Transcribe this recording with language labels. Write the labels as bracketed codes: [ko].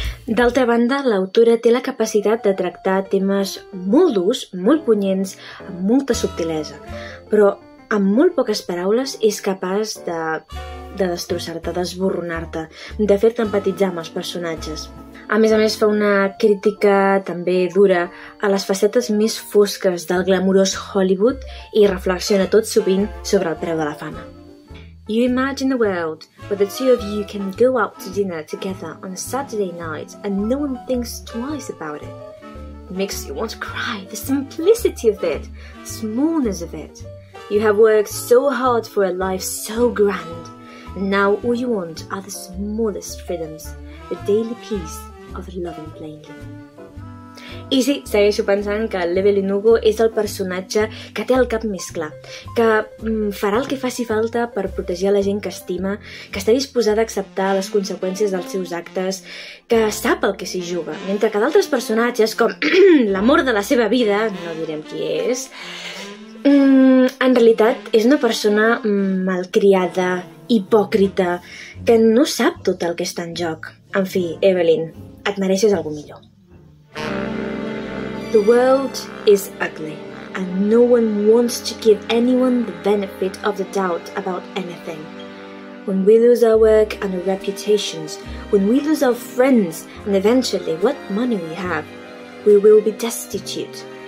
[ca] D'altra banda, l'autora té la capacitat de tractar temes molt durs, molt punyents, amb molta subtilesa, però amb molt poques paraules és capaç de destrossar-te, d'esborronar-te, de fer-te empatitzar amb els personatges. A més, fa una crítica també dura a les facetes més fosques del glamurós Hollywood i reflexiona tot sovint sobre el preu de la fama. [en] You imagine a world where the two of you can go out to dinner together on a Saturday night and no one thinks twice about it. It makes you want to cry, the simplicity of it, the smallness of it. You have worked so hard for a life so grand, and now all you want are the smallest freedoms, the daily peace of loving plainly. [ca] I sí, segueixo pensant que l'Evelyn Hugo és el personatge que té el cap més clar, que farà el que faci falta per protegir la gent que estima, que està disposada a acceptar les conseqüències dels seus actes, que sap el que s'hi juga, mentre que d'altres personatges, com l'amor de la seva vida, no direm qui és, en realitat és una persona malcriada, hipòcrita, que no sap tot el que està en joc. En fi, Evelyn, et mereixes algú millor. [en] The world is ugly, and no one wants to give anyone the benefit of the doubt about anything. When we lose our work and our reputations, when we lose our friends, and eventually what money we have, we will be destitute.